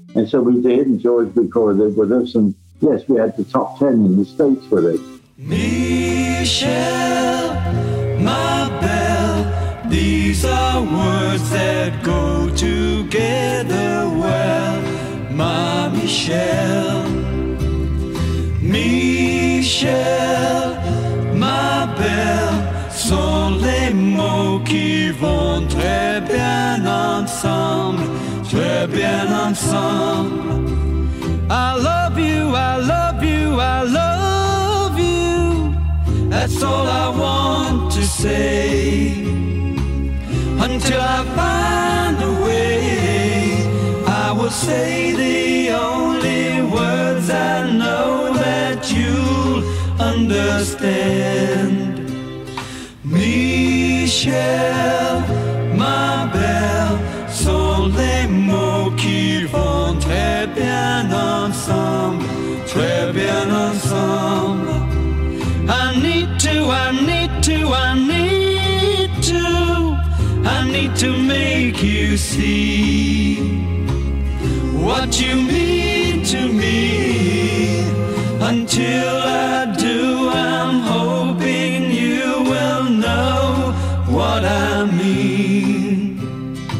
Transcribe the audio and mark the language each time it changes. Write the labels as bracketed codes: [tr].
[en] And so we did, and George recorded it with us, and yes, we had the top 10 in the States with it. Michelle, my belle, these are words that go together well. My Michelle, Michelle, my belle, [fr] sont les mots qui vont très bien ensemble, très bien ensemble. [en] I love you, I love you, I love you. That's all I want to say. Until I find a way, I will say the only words I know that you'll understand. Michelle, my belle, [fr] sont les mots qui vont très bien ensemble, très bien ensemble. [en] I need to, I need to, I need to, I need to make you see what you mean to me. Until I do, I'm hoping you will know what I mean.